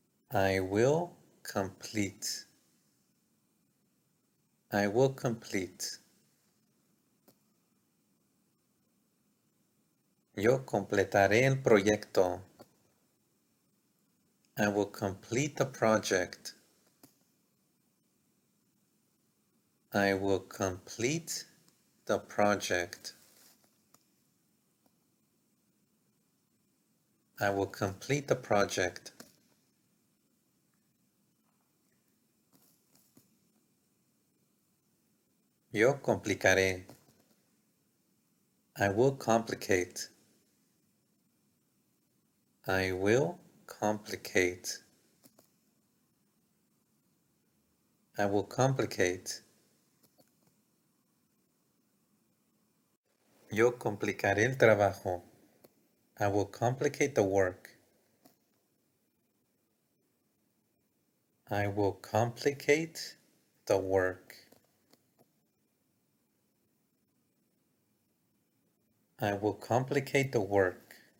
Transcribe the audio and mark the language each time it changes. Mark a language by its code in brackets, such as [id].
[en] I will complete. I will complete. [es] Yo completaré el proyecto. [en] I will complete the project. I will complete the project. I will complete the project. [es] Yo complicaré. [en] I will complicate. I will complicate. I will complicate. [es] Yo complicaré el trabajo. [en] I will complicate the work. I will complicate the work. I will complicate the work.